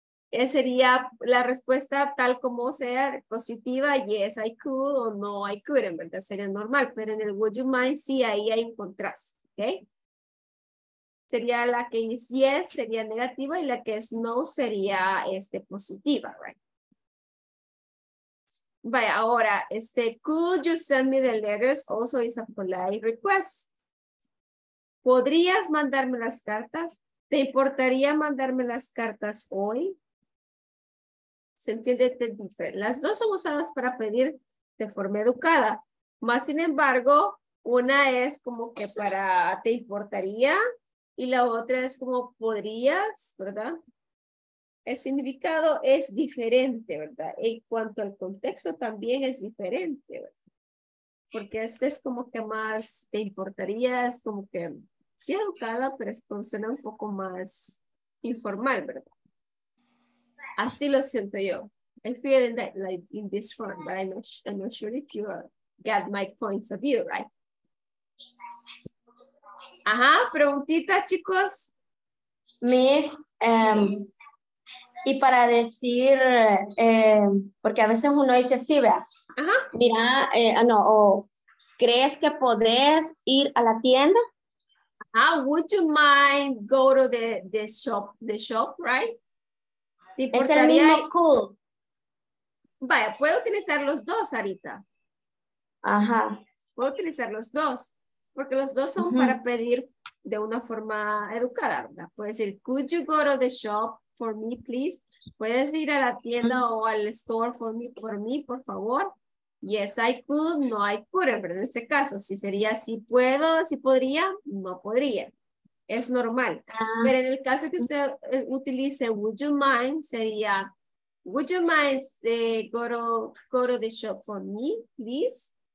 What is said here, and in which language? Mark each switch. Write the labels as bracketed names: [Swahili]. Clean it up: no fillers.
[Spanish] Sería la respuesta tal como sea positiva, [English] yes, I could, [Spanish] o [English] no, I couldn't, [Spanish] en verdad sería normal, pero en el [English] would you mind, [Spanish] sí, ahí hay un contraste, ¿ok? sería la que es yes, sería negativa, y la que es no sería positiva, right? Vaya, ahora, [English] could you send me the letters? Also is a polite request. [Spanish] ¿Podrías mandarme las cartas? ¿Te importaría mandarme las cartas hoy? Se entiende diferente. Las dos son usadas para pedir de forma educada. Más sin embargo, una es como que para ¿te importaría? Y la otra es como ¿podrías? ¿Verdad? El significado es diferente, ¿verdad? En cuanto al contexto también es diferente, ¿verdad? Porque este es como que más ¿te importaría? Es como que sí educada, pero es funciona un poco más informal, ¿verdad? Así lo siento yo. [English] I feel in that, like in this form, but I'm not sure if you get my points of view, right? [Spanish] Ajá, preguntitas, chicos. Miss, y para decir, porque a veces uno dice sí, vea. Ajá. Mira, ¿crees que podés ir a la tienda? [English] Ajá, would you mind go to the shop, right? [Spanish] Es el mismo cool. Vaya, puedo utilizar los dos, Arita. Ajá. Puedo utilizar los dos, porque los dos son uh-huh. para pedir de una forma educada, ¿verdad? [English] Puedes decir, could you go to the shop for me, please? [Spanish] ¿Puedes ir a la tienda uh-huh. o al [English] store for me, [Spanish] por favor? [English] Yes, I could, no I couldn't, [Spanish] pero en este caso, si sería sí puedo, sí podría, no podría. Es normal. Pero en el caso que usted utilice [English] would you mind, [Spanish] sería [English] would you mind go to the shop for me, please?